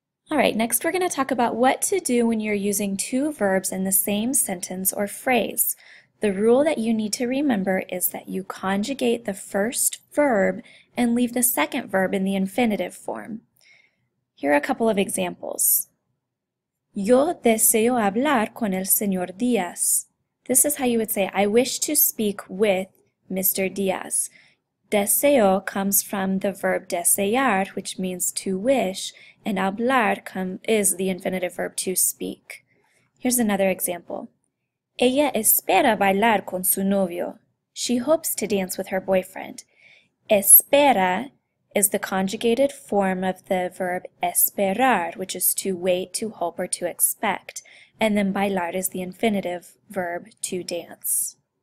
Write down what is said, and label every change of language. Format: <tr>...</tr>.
<en>All right, next we're going to talk about what to do when you're using two verbs in the same sentence or phrase. The rule that you need to remember is that you conjugate the first verb and leave the second verb in the infinitive form. Here are a couple of examples.</en> <es>Yo deseo hablar con el señor Díaz.</es> <en>This is how you would say, I wish to speak with Mr. Díaz. Deseo comes from the verb desear, which means to wish, and hablar is the infinitive verb to speak. Here's another example.</en> <es>Ella espera bailar con su novio.</es> <en>She hopes to dance with her boyfriend. Espera is the conjugated form of the verb esperar, which is to wait, to hope, or to expect. And then bailar is the infinitive verb to dance.</en>